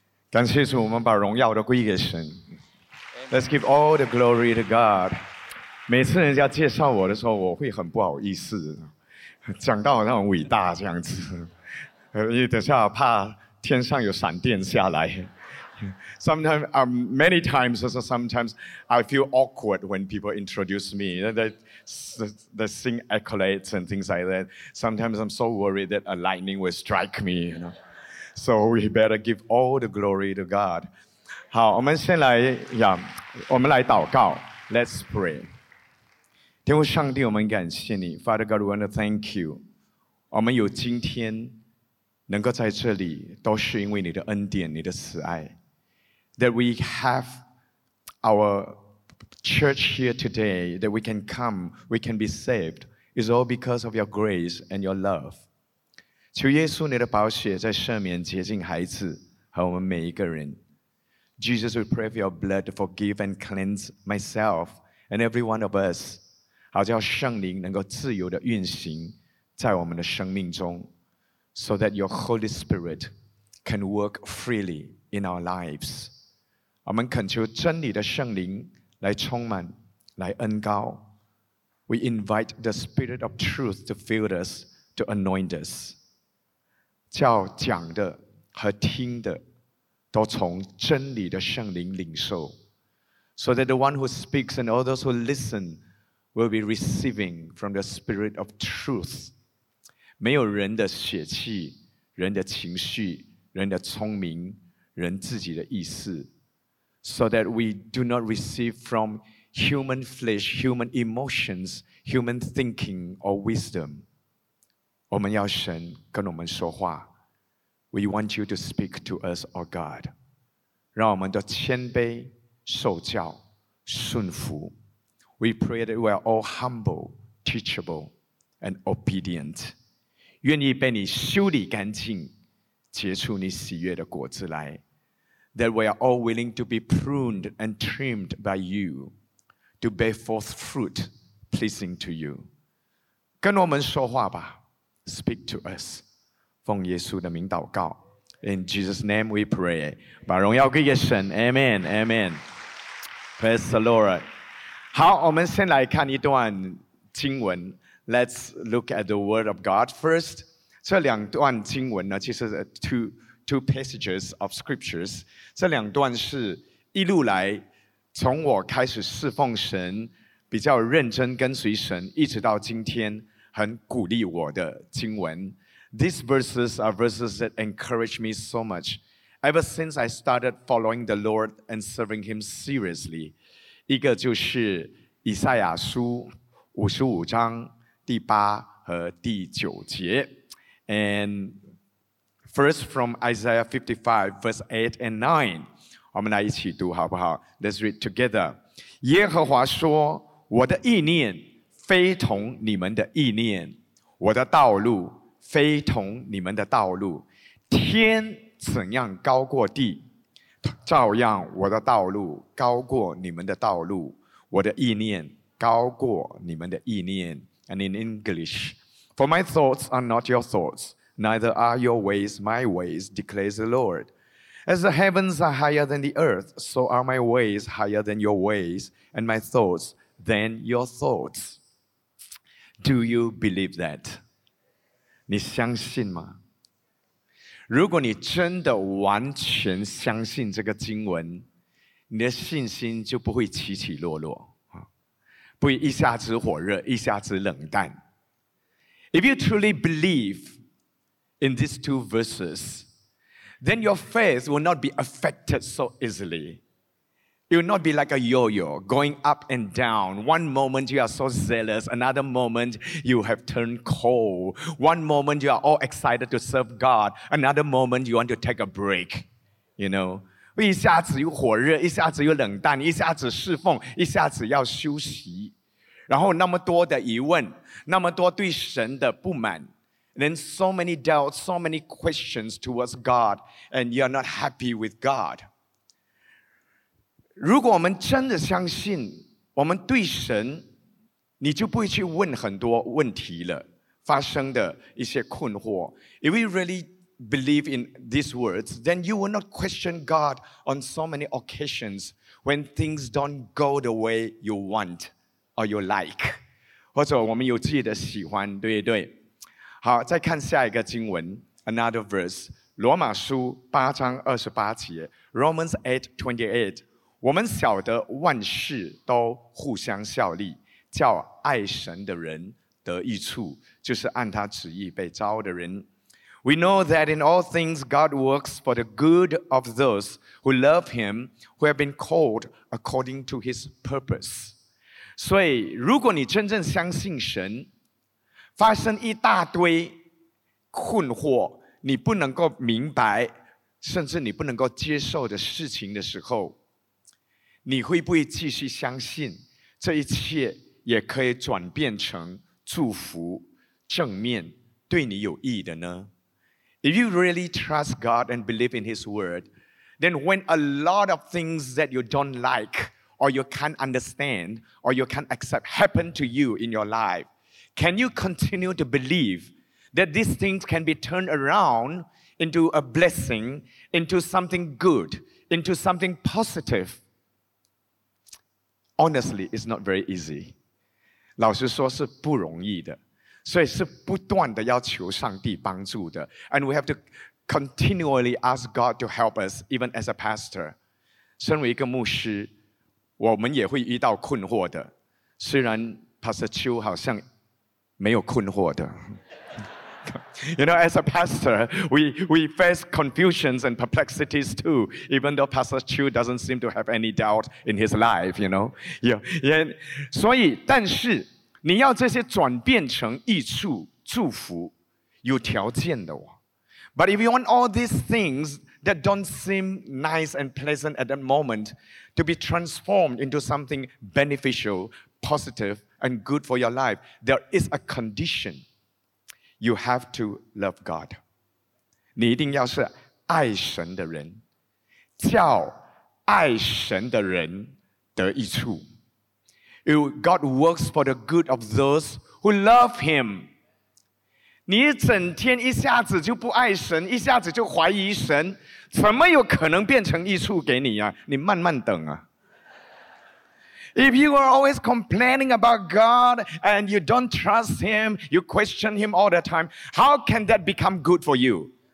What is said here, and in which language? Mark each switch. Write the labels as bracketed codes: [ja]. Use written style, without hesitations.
[zh] 感谢主，我们把荣耀都归给神。 [en] Let's give all the glory to God. [zh] 每次人家介绍我的时候，我会很不好意思，讲到那种伟大这样子，因为等下怕天上有闪电下来。 [en] Sometimes, many times, also sometimes I feel awkward when people introduce me. You know, the sing accolades and things like that. Sometimes I'm so worried that a lightning will strike me, you know. So we better give all the glory to God. [zh] 好，我们先来呀，我们来祷告。 [en] Let's pray. [zh] 天父上帝，我们感谢你。 [en] Father God, we want to thank you. [zh] 我们有今天能够在这里，都是因为你的恩典，你的慈爱。 [en] That we have our church here today, that we can come, we can be saved, is all because of your grace and your love. [zh] 求耶稣你的宝血在赦免洁净孩子和我们每一个人。 [en] Jesus, we pray for your blood to forgive and cleanse myself and every one of us, [zh] 好叫圣灵能够自由地运行在我们的生命中 [en] so that your Holy Spirit can work freely in our lives. [zh] 我们恳求真理的圣灵来充满，来恩膏。 [en] We invite the Spirit of Truth to fill us, to anoint us. [zh] 叫讲的和听的都从真理的圣灵领受。 [en] So that the one who speaks and all those who listen will be receiving from the Spirit of Truth. [zh] 没有人的血气、人的情绪、人的聪明、人自己的意思。 [en] So that we do not receive from human flesh, human emotions, human thinking or wisdom. [zh] 我们要神跟我们说话。 [en] We want you to speak to us, O God. [zh] 让我们都谦卑、受教、顺服。 [en] We pray that we are all humble, teachable, and obedient. [zh] 愿意被你修理干净，结出你喜悦的果子来。 [en] That we are all willing to be pruned and trimmed by you, to bear forth fruit pleasing to you. [zh] 跟我们说话吧 [en] ，speak to us. [zh] 奉耶稣的名祷告 [en] ，In Jesus' name we pray. [zh] 把荣耀归给神 [en] ，Amen, Amen. Praise the Lord. [zh] 好，我们先来看一段经文。 [en] Let's look at the Word of God first. [zh] 这两段经文呢，其实是 [en] two passages of scriptures. [zh] 这两段是一路来从我开始侍奉神比较认真跟随神一直到今天很鼓励我的经文。 [en] These verses are verses that encourage me so much. Ever since I started following the Lord and serving Him seriously. [zh] 一个就是以赛亚书55章第八和第九节。 [en] And First, from Isaiah 55, verse 8 and 9. [zh] 我们来一起读好不好? [en] Let's read together. [zh] 耶和华说,我的意念非同你们的意念,我的道路非同你们的道路。天怎样高过地,照样我的道路高过你们的道路,我的意念高过你们的意念。 [en] And in English, For my thoughts are not your thoughts. Neither are your ways my ways, declares the Lord. As the heavens are higher than the earth, so are my ways higher than your ways, and my thoughts than your thoughts. Do you believe that? [zh] 你相信吗？如果你真的完全相信这个经文，你的信心就不会起起落落，不会一下子火热，一下子冷淡。 [en] If you truly believe,In these two verses, then your faith will not be affected so easily. It will not be like a yo-yo going up and down. One moment you are so zealous, another moment you have turned cold. One moment you are all excited to serve God, another moment you want to take a break. You know, [zh] 一下子又火热，一下子又冷淡，一下子侍奉，一下子要休息。然后那么多的疑问，那么多对神的不满。 [en] Then so many doubts, so many questions towards God, and you're not happy with God. [zh] 如果我们真的相信我们对神，你就不会去问很多问题了，发生的一些困惑。 [en] If we really believe in these words, then you will not question God on so many occasions when things don't go the way you want or you like. [zh] 或者我们有自己的喜欢，对不对？好，再看下一个经文 ， [en] another verse， [zh] 罗马书八章二十八节 ，Romans 8:28。我们晓得万事都互相效力，叫爱神的人得益处，就是按他旨意被招的人。 [en] We know that in all things God works for the good of those who love Him, who have been called according to His purpose. [zh] 所以，如果你真正相信神，发生一大堆困惑，你不能够明白，甚至你不能够接受的事情的时候，你会不会继续相信这一切也可以转变成祝福、正面、对你有益的呢？ [en] If you really trust God and believe in His word, then when a lot of things that you don't like or you can't understand or you can't accept happen to you in your life, can you continue to believe that these things can be turned around into a blessing, into something good, into something positive? Honestly, it's not very easy. [zh] 老实说是不容易的，所以是不断的要求上帝帮助的。 [en] And we have to continually ask God to help us, even as a pastor. [zh] 身为一个牧师，我们也会遇到困惑的。虽然 Pastor Chiu 好像没有困惑的。 [en] You know, as a pastor, we face confusions and perplexities too, even though Pastor Chiu doesn't seem to have any doubt in his life, you know. Yeah, yeah. [zh] 所以，但是，你要这些转变成益处、祝福，有条件的哦。 [en] But if you want all these things that don't seem nice and pleasant at that moment to be transformed into something beneficial, positive, and good for your life, there is a condition. You have to love God. [zh] 你一定要是爱神的人，叫爱神的人得益处。 [en] God works for the good of those who love Him. [zh] 你一整天一下子就不爱神，一下子就怀疑神，怎么有可能变成益处给你啊？你慢慢等啊。 [en] If you are always complaining about God and you don't trust Him, you question Him all the time, how can that become good for you?